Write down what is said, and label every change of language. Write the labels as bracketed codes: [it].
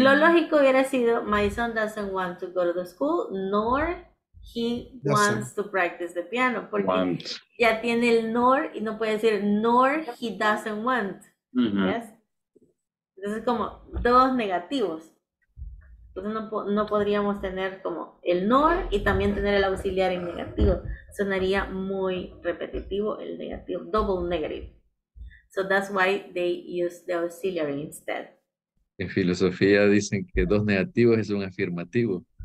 [es] Lo lógico hubiera sido, [en] my son doesn't want to go to the school, nor he wants to practice the piano. [es] Porque ya tiene el nor y no puede decir nor he doesn't want. Mm-hmm. Yes? Entonces como dos negativos. Entonces no podríamos tener como el nor y también tener el auxiliar en negativo. Sonaría muy repetitivo el negativo, double negative. [en] So that's why they use the auxiliary instead. [es] En filosofía dicen que dos negativos es un afirmativo.